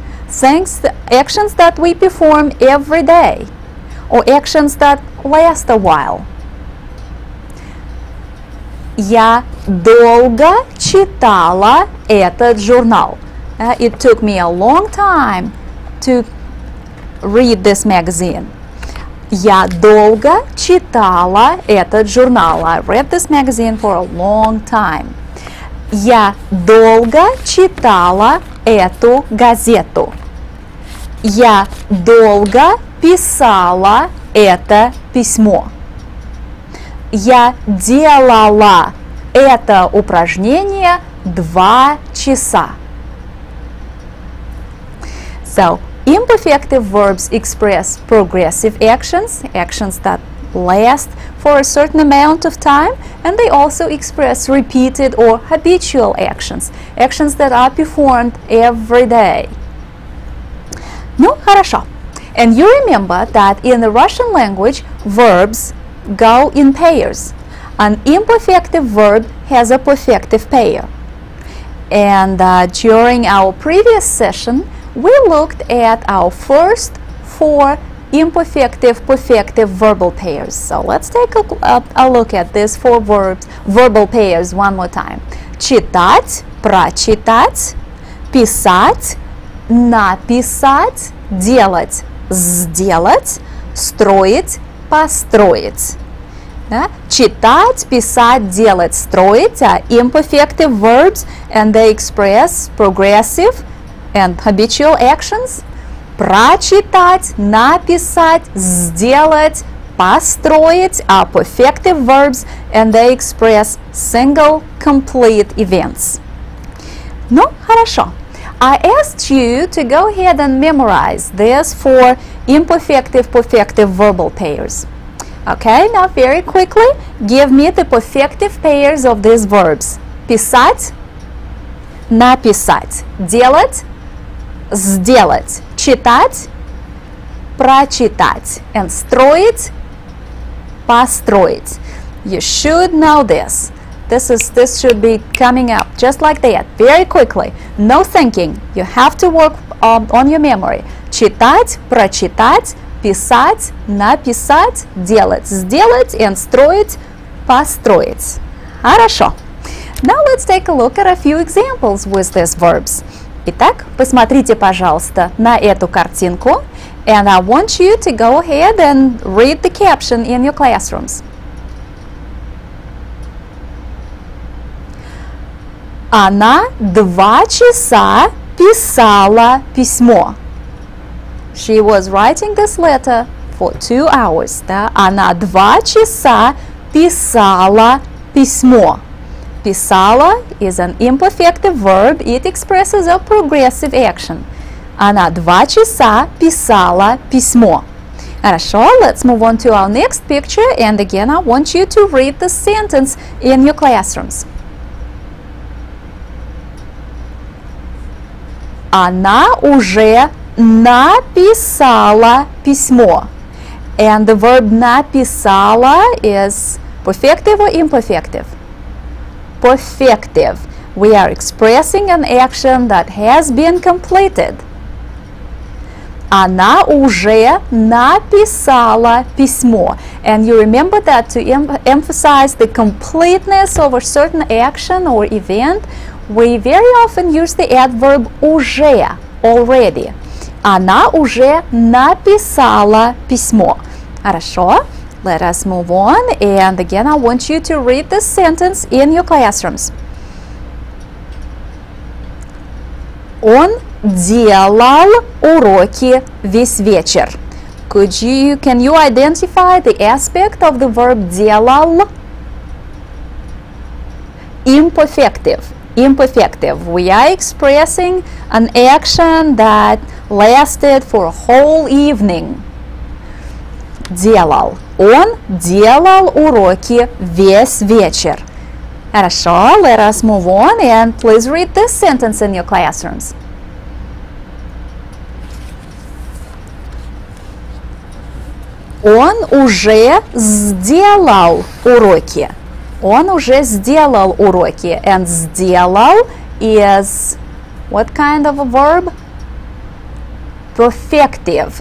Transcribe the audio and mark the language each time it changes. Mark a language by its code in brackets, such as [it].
[en] Things, actions that we perform every day or actions that last a while. [ru] Я долго читала этот журнал. [en] It took me a long time to read this magazine. [ru] Я долго читала этот журнал. [en] I read this magazine for a long time. [ru] Я долго читала эту газету. Я долго писала это письмо. Я делала это упражнение 2 часа. [en] So, imperfective verbs express progressive actions, actions that last for a certain amount of time, and they also express repeated or habitual actions, actions that are performed every day. [ru] Ну, хорошо. [en] And you remember that in the Russian language, verbs go in pairs. An imperfective verb has a perfective pair. And during our previous session, we looked at our first 4 imperfective-perfective verbal pairs. So let's take a look at these 4 verbs, verbal pairs one more time. [ru] Читать, прочитать, писать, написать, делать, сделать, строить, построить. [en] Yeah? [ru] Читать, писать, делать, строить [en] are imperfective verbs, and they express progressive and habitual actions. [ru] Прочитать, написать, сделать, построить [en] are perfective verbs, and they express single complete events. [ru] Ну, хорошо. [en] I asked you to go ahead and memorize these 4 imperfective-perfective verbal pairs. Okay, now very quickly, give me the perfective pairs of these verbs. [ru] Писать, написать, делать, сделать, читать, прочитать, [en] and [ru] строить, построить. [en] You should know this. This should be coming up just like that, very quickly. No thinking. You have to work on your memory. [ru] Читать, прочитать, писать, написать, делать, сделать, [en] and [ru] строить, построить. Хорошо. [en] Now let's take a look at a few examples with these verbs. [ru] Итак, посмотрите, пожалуйста, на эту картинку. [en] And I want you to go ahead and read the caption in your classrooms. [ru] Она 2 часа писала письмо. [en] She was writing this letter for 2 hours. [ru] Да? Она 2 часа писала письмо. [en] Писала is an imperfective verb. It expresses a progressive action. [ru] Она 2 часа писала письмо. Хорошо, [en] let's move on to our next picture. And again, I want you to read the sentence in your classrooms. [ru] Она уже написала письмо. [en] And the verb написала is perfective or imperfective? Perfective. We are expressing an action that has been completed. [ru] Она уже написала письмо. [en] And you remember that to emphasize the completeness of a certain action or event, we very often use the adverb уже, already. [ru] Она уже написала письмо. Хорошо? [en] Let us move on. And again, I want you to read this sentence in your classrooms. [ru] Он делал уроки весь вечер. [en] Could you, can you identify the aspect of the verb делал? Imperfective. Imperfective. We are expressing an action that lasted for a whole evening. Делал. [ru] Он делал уроки весь вечер. Хорошо, [en] let us move on and please read this sentence in your classrooms. [ru] Он уже сделал уроки. Он уже сделал уроки. [en] And сделал is what kind of a verb? Perfective.